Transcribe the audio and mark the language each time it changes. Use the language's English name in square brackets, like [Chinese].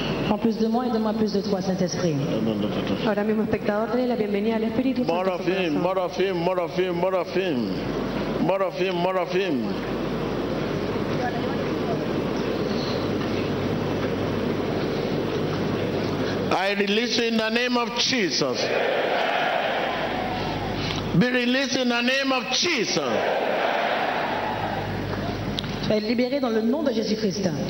[French] En plus de moi et de moi plus de toi, Saint-Esprit. [Spanish] Ahora mismo, espectador, te doy la bienvenida al Espíritu Santo. [English] More of Him, more of Him, more of Him, more of Him. More of Him, more of Him. I release you in the name of Jesus. Be released in the name of Jesus. [French] Soyez libéré dans le nom de Jésus-Christ.